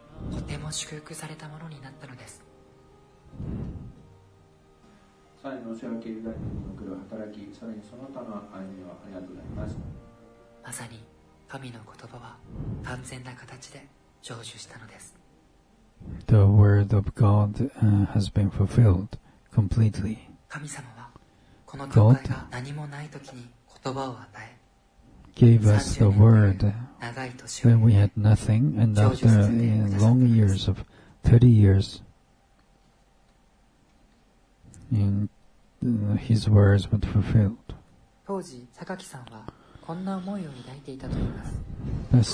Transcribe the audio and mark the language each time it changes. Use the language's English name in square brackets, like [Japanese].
[Japanese] とても祝福されたものになったのです。さらにロシア系ユダヤ人に送る働き、さらにその他の歩みはありがとうございます。まさに神の言葉は完全な形で成就したのです。 [English] The word of God has been fulfilled completely. [Japanese] 神様はこの教会が何もない時に言葉を与え、 [English] gave us the word when we had nothing, and after long years of 30 years, his words were fulfilled. [Japanese] 当時、榊さんはこんな思いを抱いていたといいます。